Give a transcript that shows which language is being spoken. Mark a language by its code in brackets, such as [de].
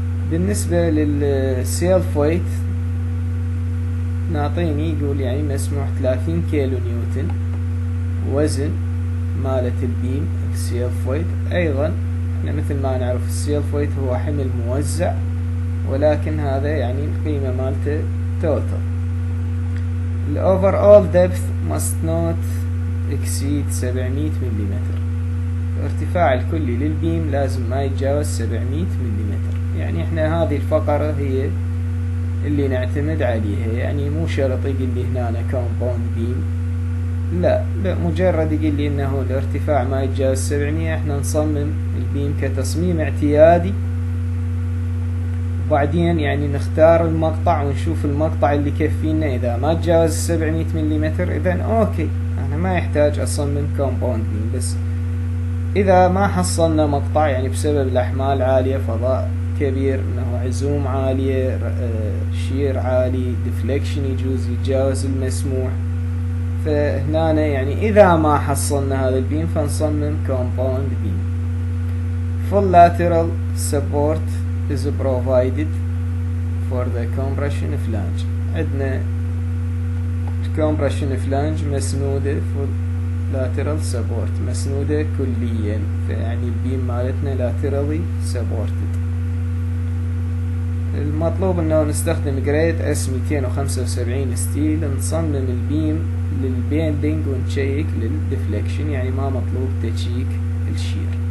[ar] بالنسبة للسيلف ويت نعطيني يقول يعني مسموح 30 كيلو نيوتن وزن مالت البيم السيلف ويت. ايضا احنا مثل ما نعرف السيلف ويت هو حمل موزع ولكن هذا يعني القيمة مالته total. [en] The overall depth must not exceed 700 mm. [ar] الارتفاع الكلي للبيم لازم ما يتجاوز 700 mm. يعني احنا هذه الفقرة هي اللي نعتمد عليها يعني مو شرط يقول لي هنا compound beam لا مجرد يقول لي انه الارتفاع ما يتجاوز 700 احنا نصمم البيم كتصميم اعتيادي بعدين يعني نختار المقطع ونشوف المقطع اللي يكفينا. اذا ما تجاوز 700 مليمتر اذا اوكي انا ما يحتاج اصمم كومبوندين. بس اذا ما حصلنا مقطع يعني بسبب الاحمال عالية، فضاء كبير، انه عزوم عالية، شير عالي، ديفليكشن يجوز يتجاوز المسموح، فهنا يعني اذا ما حصلنا هذا البيم فنصمم كومبوند بيم. [en] Full lateral support is provided for the compression flange. [ar] عندنا compression flange مسنودة [en] full lateral support، [ar] مسنودة كليا، فيعني البيم مالتنا [en] laterally supported. [ar] المطلوب انه نستخدم جريد S275 ستيل، نصمم البيم للبيندينج ونشيك للديفليكشن، يعني ما مطلوب تشيك الشير.